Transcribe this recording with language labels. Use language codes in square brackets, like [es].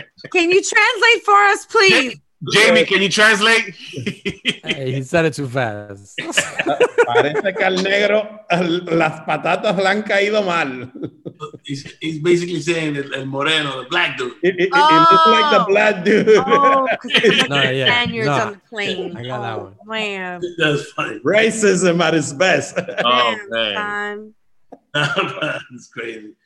[en] Can you translate for us, please? Jamie, can you translate? Hey, he said it too fast. [es] Parece que al negro las patatas le han caído mal. [en] He's basically saying el moreno, the black dude. It looks like the black dude. Oh, because like Spaniards on the plane. I got that one. Man. That's funny. Racism at its best. Oh, man. That's crazy.